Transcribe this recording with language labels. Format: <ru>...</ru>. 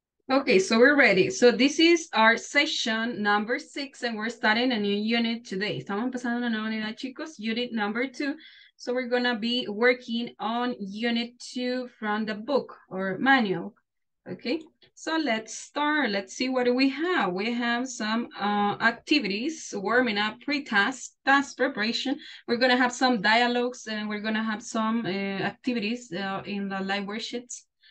<en>Okay, so we're ready. So this is our session number 6 and we're starting a new unit today.</en> <es>Estamos empezando una nueva unidad, chicos,</es> <en>unit number 2. So we're going to be working on unit 2 from the book or manual. Okay, so let's start. Let's see what we have. We have some activities, warming up, pre-task, task preparation. We're going to have some dialogues and we're going to have some activities in the live worksheets.</en>